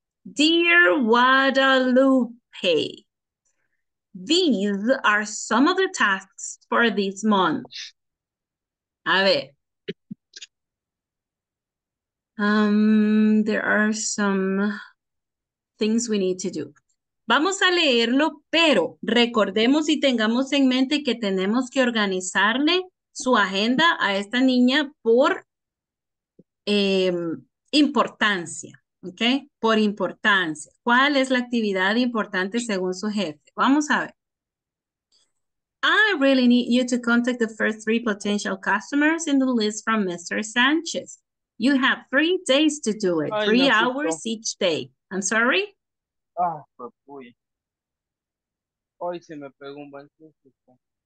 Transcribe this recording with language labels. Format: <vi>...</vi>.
<en>Dear Guadalupe, these are some of the tasks for this month.</en> <es>A ver.</es> <en>There are some things we need to do.</en> <es>Vamos a leerlo, pero recordemos y tengamos en mente que tenemos que organizarle su agenda a esta niña por importancia. Ok, por importancia. ¿Cuál es la actividad importante según su jefe? Vamos a ver.</es> <en>I really need you to contact the first three potential customers in the list from Mr. Sanchez. You have 3 days to do it, 3 hours each day. I'm sorry?</en> <es>Ah, papuy. Hoy se me pegó un buen susto.</es>